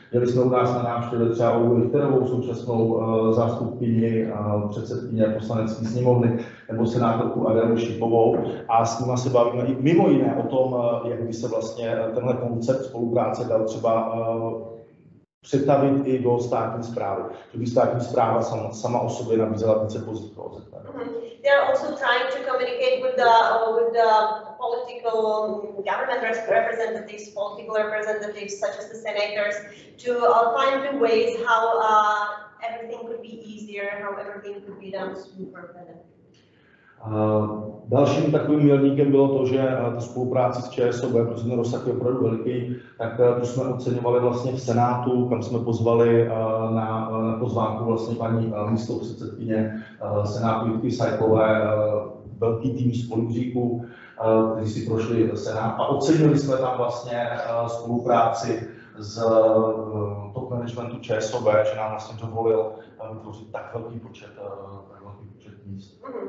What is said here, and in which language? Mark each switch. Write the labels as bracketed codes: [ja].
[cs] Měli jsme u nás na návštěvě třeba Richterovou současnou zástupkyni předsedkyně poslanecké sněmovny nebo senátorku Adelu Šipovou a s nima se bavíme i mimo jiné o tom, jak by se vlastně tenhle koncept spolupráce dal třeba přetavit i do státní správy, že by státní správa sama o sobě nabízela více pozic pro OZP. [en] They are also trying to communicate with the political government representatives, political representatives such as the senators, to find the ways how everything could be easier, how everything could be done smoother for them. [cs] Dalším takovým milníkem bylo to, že ta spolupráce s ČSOB, protože ten rozsah je opravdu veliký, tak to jsme oceňovali vlastně v Senátu, kam jsme pozvali na pozvánku vlastně paní místopředsedkyně Senátu Jitky Sajkové, velký tým z Kolibříku, kteří si prošli Senát a ocenili jsme tam vlastně spolupráci z top managementu ČSOB, že nám vlastně dovolil vytvořit tak velký počet míst.